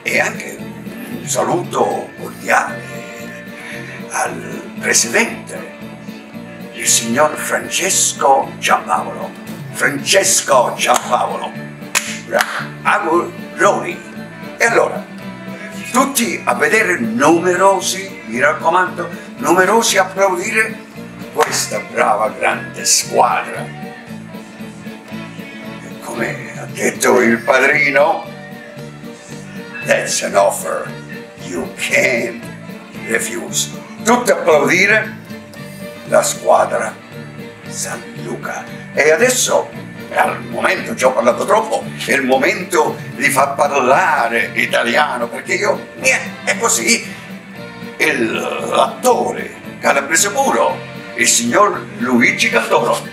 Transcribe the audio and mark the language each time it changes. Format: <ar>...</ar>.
<it>E anche un saluto cordiale al presidente, il signor Francesco Giampaolo. Francesco Giampaolo. Auguroni. E allora, tutti a vedere, numerosi, mi raccomando, numerosi a applaudire questa brava grande squadra. E come ha detto il padrino,</it> <en>that's an offer you can't refuse.</en> <it>Tutti a applaudire la squadra San Luca. E adesso, al momento, ci ho parlato troppo, è il momento di far parlare italiano, perché io, è così, l'attore calabrese puro, il signor Luigi Caldoro.</it>